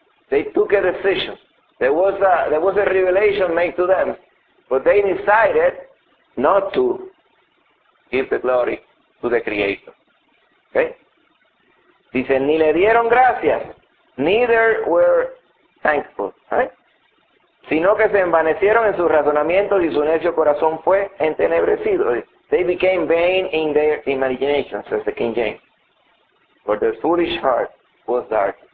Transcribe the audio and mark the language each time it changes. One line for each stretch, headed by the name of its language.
English: They took a decision. There was a revelation made to them, but they decided not to give the glory to the Creator. Okay?
Spanish: Dice, ni le dieron gracias,
English: neither were thankful, right?
Spanish: Sino que se envanecieron en sus razonamientos y su necio corazón fue entenebrecido.
English: They became vain in their imagination, says the King James. For their foolish heart was dark.